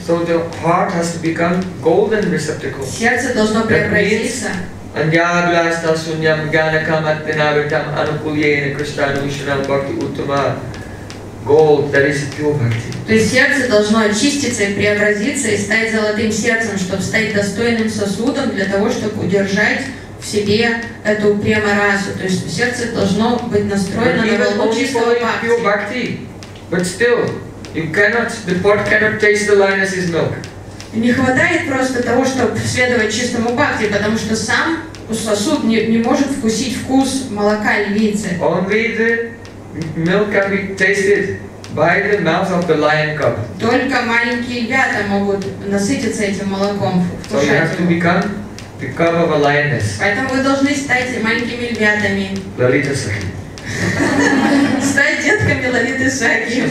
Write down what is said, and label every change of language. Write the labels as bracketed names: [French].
[English] So the heart has to become golden receptacle. [Russian] Сердце должно преобразиться. [Sanskrit] Аньядвяста суньям гьянакам аттинавитам анукульена кришна нушинам бхакти уттама. [English] gold that is pure bhakti. [Russian] То есть сердце должно очиститься и преобразиться и стать золотым сердцем, чтобы стать достойным сосудом для того, чтобы удержать в себе эту према-расу. То есть сердце должно быть настроено на волну чистого бхакти. [English] But still, you cannot, the pot cannot taste the lioness's milk. [Russian] Не хватает просто того, чтобы следовать чистому бхакти, потому что сам сосуд не может вкусить вкус молока львицы. [English] Only the milk can be tasted by the mouth of the lion cub. [Russian] Только маленькие львята могут насытиться этим молоком, вкушать его. [English] The cub of a lioness. [Russian] Поэтому вы должны стать маленькими львятами. Лолита Саки. Стать детками Лолиты Саки.